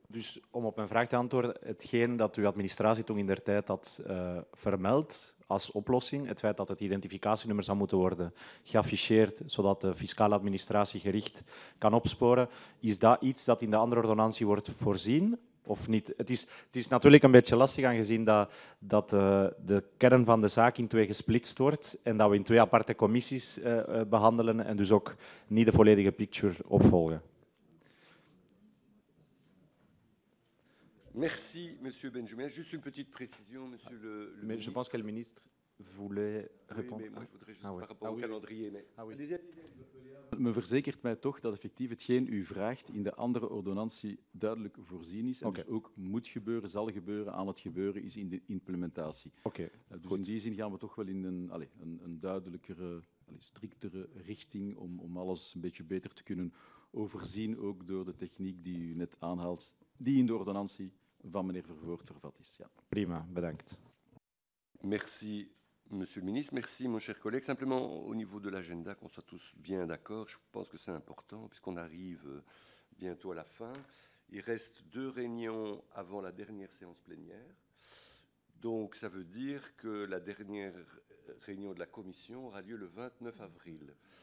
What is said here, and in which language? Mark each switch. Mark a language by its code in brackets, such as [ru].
[nl] Dus om op mijn vraag te antwoorden, hetgeen dat uw administratie toen in der tijd had vermeld als oplossing, het feit dat het identificatienummer zou moeten worden geafficheerd, zodat de fiscale administratie gericht kan opsporen, is dat iets dat in de andere ordonnantie wordt voorzien of niet? Het is natuurlijk een beetje lastig, aangezien dat de kern van de zaak in twee gesplitst wordt en dat we in twee aparte commissies behandelen en dus ook niet de volledige picture opvolgen. [fr] Merci, monsieur Benjumia. Juste une petite précision, monsieur le ministre. Je pense que le ministre voulait répondre. Oui, mais moi, je voudrais juste par rapport au calendrier. [nl] Me verzekert mij toch dat effectief hetgeen u vraagt in de andere ordonnantie duidelijk voorzien is. En dus ook moet gebeuren, zal gebeuren, aan het gebeuren is in de implementatie. Dus in die zin gaan we toch wel in een duidelijkere, striktere richting om alles een beetje beter te kunnen overzien, ook door de techniek die u net aanhaalt, die in de ordonnantie van meneer Vervoort vervat is. Ja. Prima, bedankt. [fr] Merci, monsieur le ministre. Merci, mon cher collègue. Simplement, au niveau de l'agenda, qu'on soit tous bien d'accord, je pense que c'est important, puisqu'on arrive bientôt à la fin. Il reste deux réunions avant la dernière séance plénière. Donc, ça veut dire que la dernière réunion de la commission aura lieu le 29 avril.